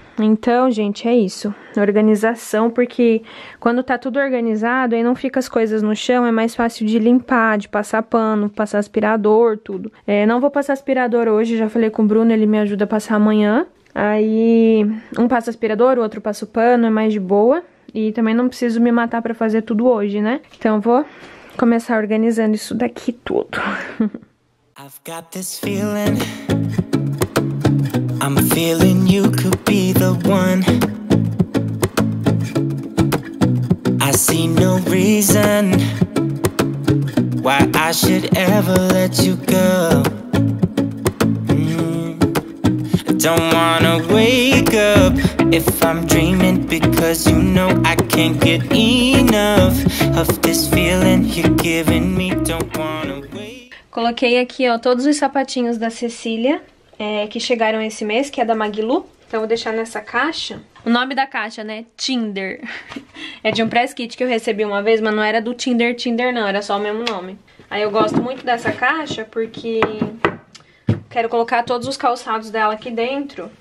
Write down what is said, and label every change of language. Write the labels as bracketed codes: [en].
[pt] Então, gente, é isso, organização, porque quando tá tudo organizado, aí não fica as coisas no chão, é mais fácil de limpar, de passar pano, passar aspirador, tudo. É, não vou passar aspirador hoje, já falei com o Bruno, ele me ajuda a passar amanhã. Aí, um passa aspirador, o outro passa o pano, é mais de boa, e também não preciso me matar pra fazer tudo hoje, né? Então, vou começar organizando isso daqui tudo. [en] I've got this feeling, I'm feeling you could be the one. I see no reason why I should ever let you go. Don't wanna wake up if I'm dreaming, because you know I can't get enough of this feeling you're giving me. Don't wanna wake. [pt] Coloquei aqui, ó, todos os sapatinhos da Cecília, que chegaram esse mês, que é da Maglu. Então vou deixar nessa caixa. O nome da caixa, né? Tinder. É de um press kit que eu recebi uma vez, mas não era do Tinder, não, era só o mesmo nome. Aí eu gosto muito dessa caixa porque quero colocar todos os calçados dela aqui dentro.